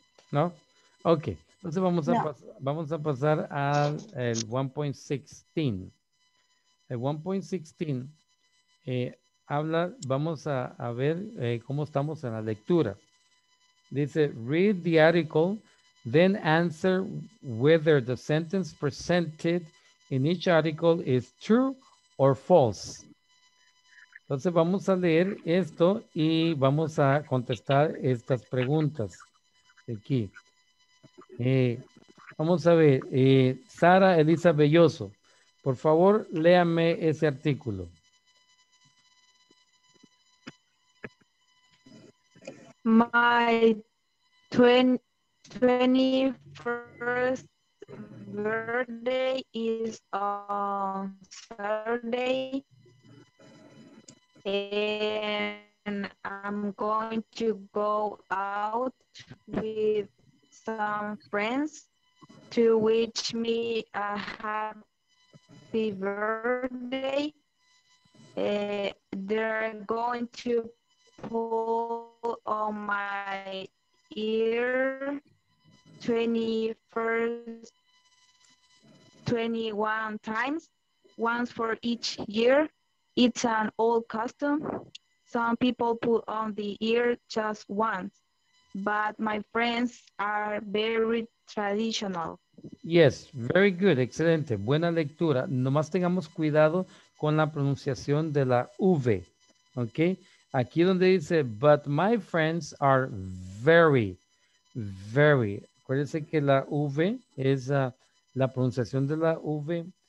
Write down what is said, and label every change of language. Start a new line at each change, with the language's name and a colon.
Spanish: ¿No? Ok. Entonces vamos a, vamos a pasar al 1.16. El 1.16... habla, vamos a ver cómo estamos en la lectura. Dice,
English: read the article, then answer whether the sentence presented in each article is true or false.
Spanish: Entonces vamos a leer esto y vamos a contestar estas preguntas aquí. Vamos a ver, Sara Elisa Belloso, por favor léame ese artículo.
English: My 21st birthday is on Saturday, and I'm going to go out with some friends to wish me a happy birthday. They're going to pull on my ear 21 times, once for each year. It's an old custom. Some people pull on the ear just once, but my friends are very traditional. Yes, very good,
Spanish: excelente, buena lectura. Nomás tengamos cuidado con la pronunciación de la V, ¿ok? Aquí donde dice,
English: but my friends are very, very.
Spanish: Acuérdense que la V es la pronunciación de la V.